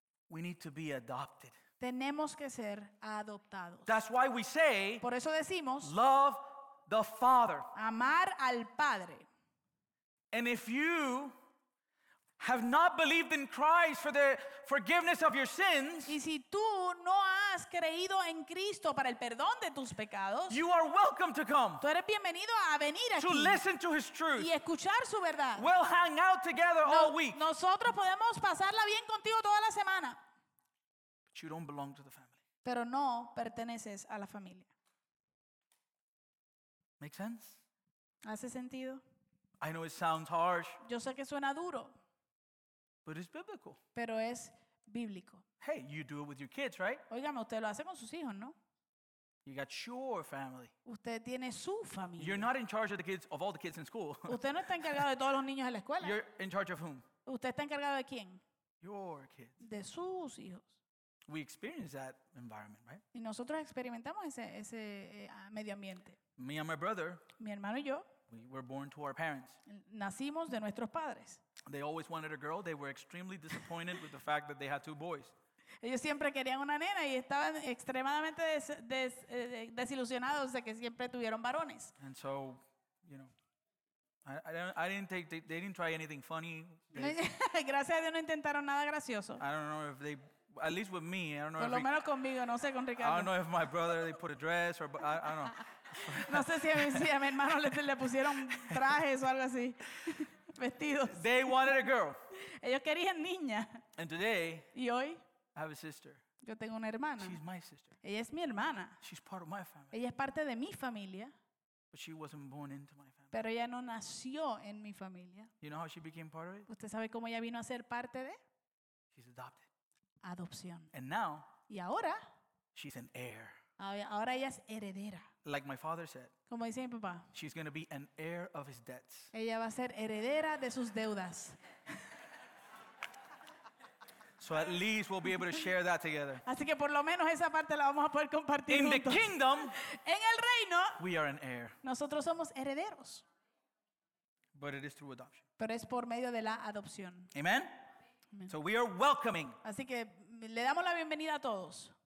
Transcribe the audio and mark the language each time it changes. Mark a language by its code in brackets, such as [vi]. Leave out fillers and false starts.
[en] we need to be adopted. [es] Tenemos que ser adoptados. [en] That's why we say, [es] por eso decimos, [en] love the Father. [es] Amar al Padre. [en] And if you have not believed in Christ for the forgiveness of your sins, [es] y si tú no has creído en Cristo para el perdón de tus pecados, [en] you are welcome to come. [es] Tú eres bienvenido a venir aquí. [en] To listen to his truth. [es] Y escuchar su verdad. [en] We'll hang out together [es] no, [en] all week. [es] Nosotros podemos pasarla bien contigo toda la semana. [en] But you don't belong to the family. [es] Pero no perteneces a la familia. [en] Make sense? [es] ¿Hace sentido? [en] I know it sounds harsh. [es] Yo sé que suena duro. [en] But it's biblical. [es] Pero es bíblico. [en] Hey, you do it with your kids, right? [es] Oígame, usted lo hace con sus hijos, ¿no? [en] You got your family. [es] Usted tiene su familia. [en] You're not in charge of the kids, of all the kids in school. [es] Usted no está encargado de todos los niños en la escuela. [en] You're in charge of whom? [es] Usted está encargado de quién? [en] Your kids. [es] De sus hijos. [en] We experience that environment, right? [es] Y nosotros experimentamos ese medio ambiente. [en] Me and my brother. [es] Mi hermano y yo. [en] We were born to our parents. [es] Nacimos de nuestros padres. [en] They always wanted a girl. They were extremely disappointed with the fact that they had two boys. [es] Ellos siempre querían una nena y estaban extremadamente desilusionados de que siempre tuvieron varones. [en] And so, you know, they didn't try anything funny. [es] Gracias a Dios no intentaron nada gracioso. [en] I don't know if they, at least with me, I don't know. [es] Por lo menos conmigo, no sé con Ricardo. [en] I don't know if my brother they put a dress or I don't know. [es] No sé si a mi hermano le pusieron trajes o algo así. vestidos. [en] They wanted a girl. [es] Ellos querían niña. [en] And today, [es] y hoy, [en] I have a sister. [es] Yo tengo una hermana. [en] She's my sister. [es] Ella es mi hermana. [en] She's part of my family. [es] Ella es parte de mi familia. [en] But she wasn't born into my family. [es] Pero ella no nació en mi familia. [en] You know how she became part of it? [es] ¿Usted sabe cómo ella vino a ser parte de? [en] She's adopted. [es] Adopción. [en] And now, [es] y ahora, [en] she's an heir. [es] Ahora ella es heredera. [en] Like my father said, [es] como dice mi papá, [en] she's going to be an heir of his debts. [es] Ella va a ser heredera de sus deudas. [en] So at least we'll be able to share that together. [es] Así que por lo menos esa parte la vamos a poder compartir juntos. [en] In the kingdom, [es] en el reino, [en] we are an heir. [es] Nosotros somos herederos. [en] But it is through adoption. [es] Pero es por medio de la adopción. [en] Amen? Amen. So we are welcoming. [es] Así que le damos la bienvenida a todos.